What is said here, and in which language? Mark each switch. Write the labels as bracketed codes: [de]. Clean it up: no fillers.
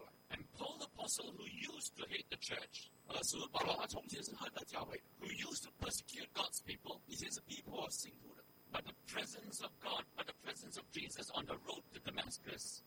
[en] and Paul the Apostle, who used to hate the church, [zh] 而是保罗他从前是恨的教会, [en] who used to persecute God's people, [zh] 以前是逼迫信徒的, [en] but the presence of God, but the presence of Jesus on the road to Damascus,